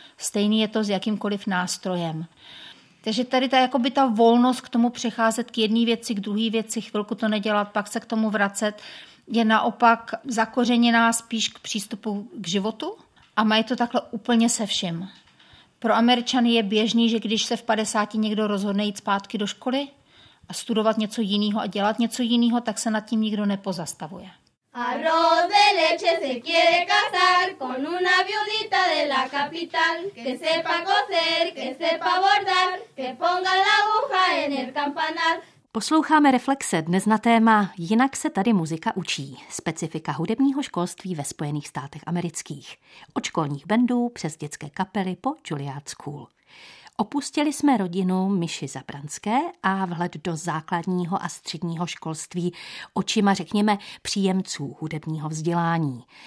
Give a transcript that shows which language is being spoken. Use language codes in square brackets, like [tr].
[cs] Stejný je to s jakýmkoliv nástrojem. Takže tady ta volnost k tomu přecházet k jedné věci, k druhé věci, chvilku to nedělat, pak se k tomu vracet, je naopak zakořeněná spíš k přístupu k životu a mají to takhle úplně se vším. Pro Američany je běžný, že když se v 50 někdo rozhodne jít zpátky do školy a studovat něco jiného a dělat něco jiného, tak se nad tím nikdo nepozastavuje. [es] Arroz de leche se quiere casar con una viudita de la capital, que sepa coser, que sepa bordar, que ponga la aguja en el campanal. [cs] Posloucháme Reflexe dnes na téma Jinak se tady muzika učí. Specifika hudebního školství ve Spojených státech amerických. Od školních bandů přes dětské kapely po Juilliard School. Opustili jsme rodinu Myši Zábranské a vhled do základního a středního školství očima, řekněme, příjemců hudebního vzdělání.